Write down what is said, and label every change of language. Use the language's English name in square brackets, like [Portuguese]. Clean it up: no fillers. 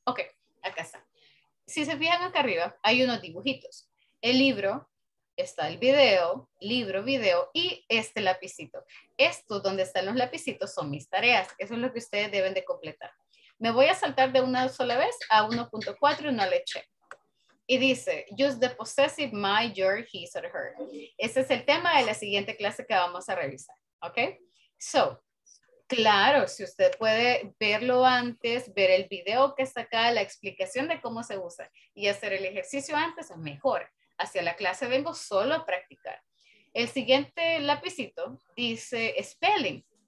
[Spanish] Ok, acá está. Si se fijan acá arriba, hay unos dibujitos. El libro, está el video, libro, video y este lapicito. Esto donde están los lapicitos son mis tareas. Eso es lo que ustedes deben de completar. Me voy a saltar de una sola vez a 1.4 y no le eché. Y dice, [English] use the possessive my, your, his or her. [Spanish] Ese es el tema de la siguiente clase que vamos a revisar. Ok, so. Claro, si usted puede verlo antes, ver el video que está acá, la explicación de cómo se usa y hacer el ejercicio antes, es mejor. Hacia la clase vengo solo a practicar. El siguiente lapicito dice spelling.